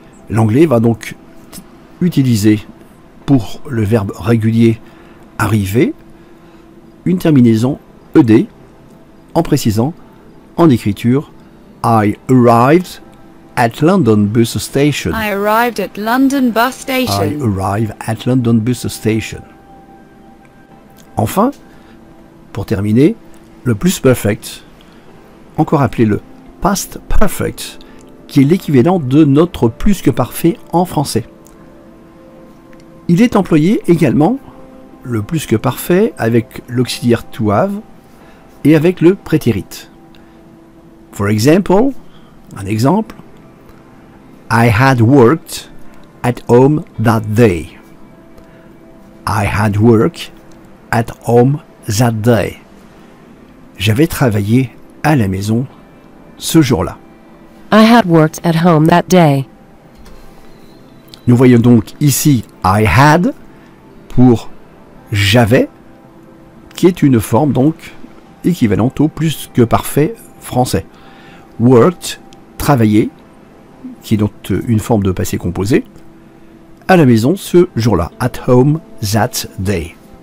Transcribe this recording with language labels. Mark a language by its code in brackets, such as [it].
[fr] L'anglais va donc utiliser pour le verbe régulier arriver une terminaison ED en précisant en écriture [en] I arrived at London bus station. I arrived at London bus station. I arrive at London bus station. [fr] Enfin, pour terminer, le plus perfect, encore appelé le past perfect, qui est l'équivalent de notre plus que parfait en français. Il est employé également le plus que parfait avec l'auxiliaire to have et avec le prétérit. [en] For example, [fr] un exemple, [en] I had worked at home that day. I had worked at home that day. [fr] J'avais travaillé à la maison ce jour-là. [en] I had worked at home that day. [fr] Nous voyons donc ici I had pour j'avais, qui est une forme donc équivalente au plus que parfait français. Worked, travailler, qui est donc une forme de passé composé, à la maison ce jour-là, [en] at home that day.